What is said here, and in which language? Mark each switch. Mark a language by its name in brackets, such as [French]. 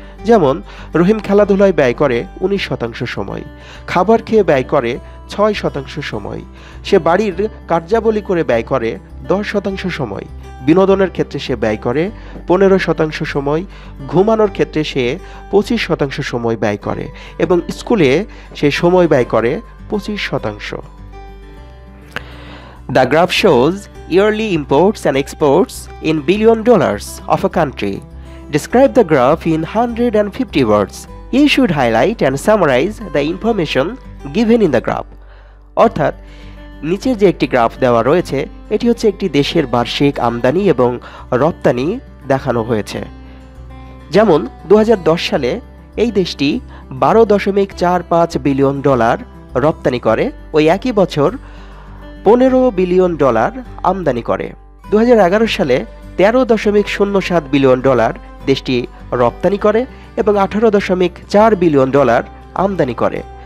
[Bangla] যেমন রহিম খেলাধুলায় ব্যয় করে 19% সময়, খাবার খেয়ে ব্যয় করে 6% সময়, সে বাড়ির কার্যাবলী করে ব্যয় করে 10% সময়, বিনোদনের ক্ষেত্রে সে ব্যয় করে 15% সময়, ঘুমানোর ক্ষেত্রে সে 25% সময় ব্যয় করে এবং স্কুলে সে সময় ব্যয় করে 25%। [English] The graph shows yearly imports and exports in billion dollars of a country. Describe the graph in 150 words. You should highlight and summarize the information given in the graph. [Bangla] অর্থাৎ নিচের যে একটি গ্রাফ দেওয়া রয়েছে এটি হচ্ছে একটি দেশের বার্ষিক আমদানি এবং রপ্তানি দেখানো হয়েছে। যেমন 2010 সালে এই দেশটি 12.45 বিলিয়ন ডলার রপ্তানি করে, ওই একই বছর 15 বিলিয়ন ডলার আমদানি করে, 2011 সালে 13.07 বিলিয়ন ডলার দেশটি রপ্তানি করে এবং 18.4 বিলিয়ন ডলার আমদানি করে,